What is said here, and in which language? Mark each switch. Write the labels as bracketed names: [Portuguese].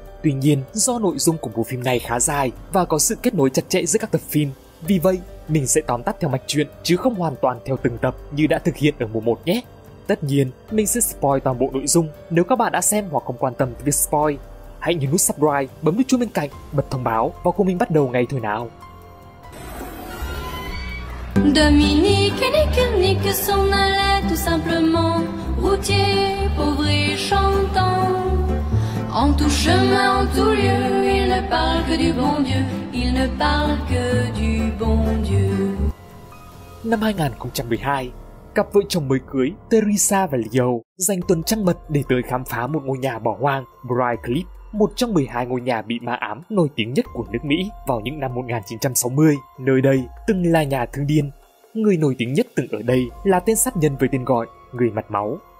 [Vietnamese] Tuy nhiên, do nội dung của bộ phim này khá dài và có sự kết nối chặt chẽ giữa các tập phim, vì vậy, mình sẽ tóm tắt theo mạch truyện chứ không hoàn toàn theo từng tập như đã thực hiện ở mùa 1 nhé. Tất nhiên, mình sẽ spoil toàn bộ nội dung nếu các bạn đã xem hoặc không quan tâm việc spoil. Hãy nhấn nút subscribe, bấm nút chuông bên cạnh, bật thông báo và cùng mình bắt đầu ngay thôi nào. [French] Dominique et Nick s'en allaient tout simplement, routiers, pauvres et chantants. En tout chemin, en tout lieu, ils ne parlent que du bon Dieu, ils ne parlent que du bon Dieu. [Vietnamese] Năm 2012, cặp vợ chồng mới cưới Teresa và Leo dành tuần trăng mật để tới khám phá một ngôi nhà bỏ hoang, Bright Cliff, một trong 12 ngôi nhà bị ma ám nổi tiếng nhất của nước Mỹ vào những năm 1960. Nơi đây từng là nhà thương điên. Người nổi tiếng nhất từng ở đây là tên sát nhân với tên gọi Người Mặt Máu.